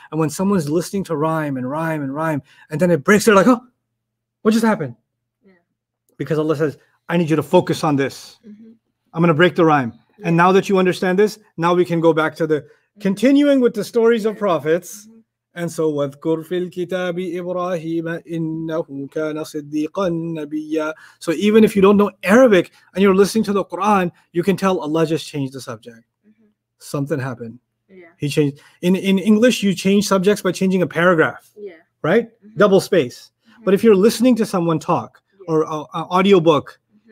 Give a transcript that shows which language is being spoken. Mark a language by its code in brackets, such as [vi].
[en] And when someone's listening to rhyme and rhyme and rhyme, and then it breaks, they're like, oh, what just happened? Because Allah says, I need you to focus on this. Mm-hmm. I'm going to break the rhyme. Yeah. And now that you understand this, now we can go back to the continuing with the stories of prophets. Mm-hmm. And so, [ar] وَذْكُرْ فِي الْكِتَابِ إِبْرَاهِيمَ إِنَّهُ كَانَ صِدِّيقًا نَبِيًّا. [en] So even if you don't know Arabic and you're listening to the Quran, you can tell Allah just changed the subject. Mm-hmm. Something happened. Yeah. He changed. In English, you change subjects by changing a paragraph. Yeah. Right? Mm-hmm. Double space. Mm-hmm. But if you're listening to someone talk, or an audiobook. Mm-hmm.